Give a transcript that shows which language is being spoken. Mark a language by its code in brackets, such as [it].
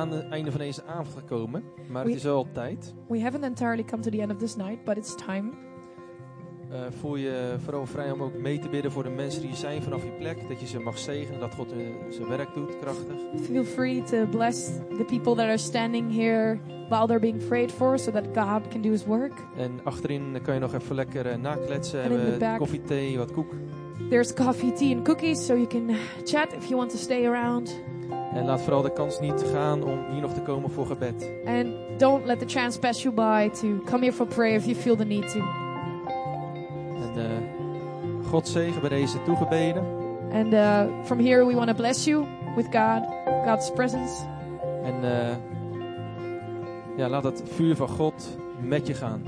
[nl] einde van deze avond gekomen, maar het is wel tijd. [en] We haven't entirely come to the end of this night, but it's time. [nl] Voel je vooral vrij om ook mee te bidden voor de mensen die zijn vanaf je plek, dat je ze mag zegenen, dat God zijn werk doet krachtig. [en] Feel free to bless the people that are standing here while they're being prayed for, so that God can do His work. [nl] En achterin kan je nog even lekker nakletsen, hebben koffie, thee, wat koek. [en] There's coffee, tea and cookies, so you can chat if you want to stay around. [nl] En laat vooral de kans niet gaan om hier nog te komen voor gebed. [en] And don't let the chance pass you by to come here for prayer if you feel the need to. [nl] En God zegen bij deze toegebeden. [en] And from here we want to bless you with God, God's presence. [nl] En laat het vuur van God met je gaan.